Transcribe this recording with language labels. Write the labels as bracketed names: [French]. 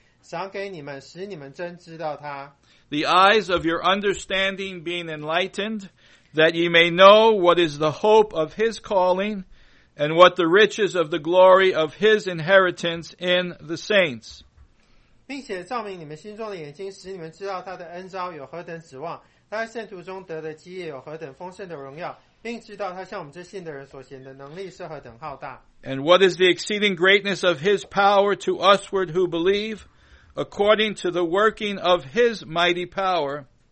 [English] The eyes of your understanding being enlightened, that ye may know what is the hope of His calling, and what the riches of the glory of His inheritance in the saints. [Chinese] 并且照明你们心中的眼睛，使你们知道他的恩召有何等指望。 [English] And what is the exceeding greatness of His power to usward who believe, according to the working of His mighty power,